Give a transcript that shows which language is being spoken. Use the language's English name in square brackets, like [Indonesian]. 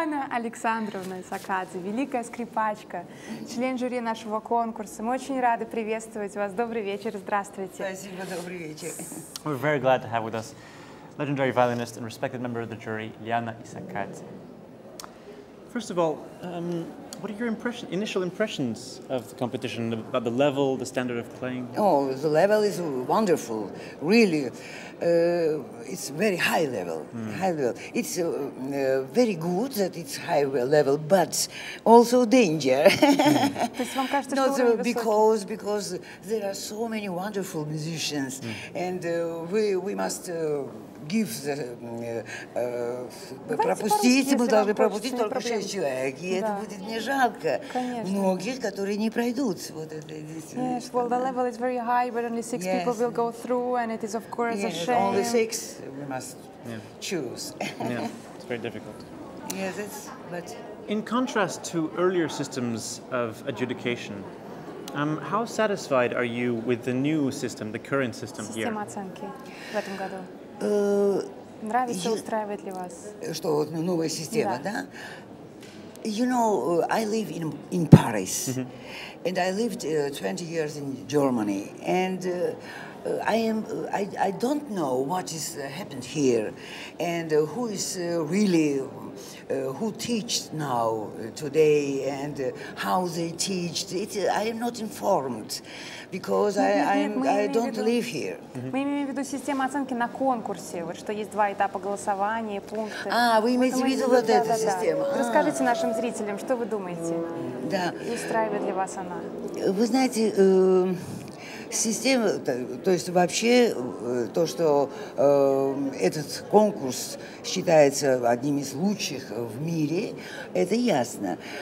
[Russian] Александровной Сакадзе, великая скрипачка, член жюри нашего конкурса. Мы очень рады приветствовать вас. Добрый вечер, здравствуйте. Спасибо, добрый вечер. [English] We're very glad to have with us legendary violinist and respected member of the jury, Liana Isakadze. First of all, what are your initial impressions of the competition, about the level, the standard of playing? Oh, the level is wonderful, really. It's very high level, high level. It's very good that it's high level, but also danger. because there are so many wonderful musicians, and we must... Give the [Russian] пропустить, мы должны пропустить только 6 человек, и это будет мне жалко. Конечно. Многие, которые не пройдут. Вот это действительно. [English] Yes, well, the level is very high, but only 6 people will go through, and it is of course a shame. Only 6 we must choose. Yeah, it's very difficult. Yes, it's, but... In contrast to earlier systems of adjudication, how satisfied are you with the new system, the current system here? [Russian] Система оценки в этом году. Нравится, устраивает ли вас? Что, новая система, да? [English] You know, I live in Paris, and I lived 20 years in Germany, and I don't know what is happened here, and who is really, who teaches now today, and how they teach. I am not informed. Because I don't live here. [Russian] Мы имеем в виду систему оценки на конкурсе, вот что есть два этапа голосования, пункты. А, вы имеете в виду вот эту систему? Расскажите нашим зрителям, что вы думаете, устраивает ли вас она? Вы знаете, система, то есть вообще то, что этот конкурс считается одним из лучших в мире, это ясно.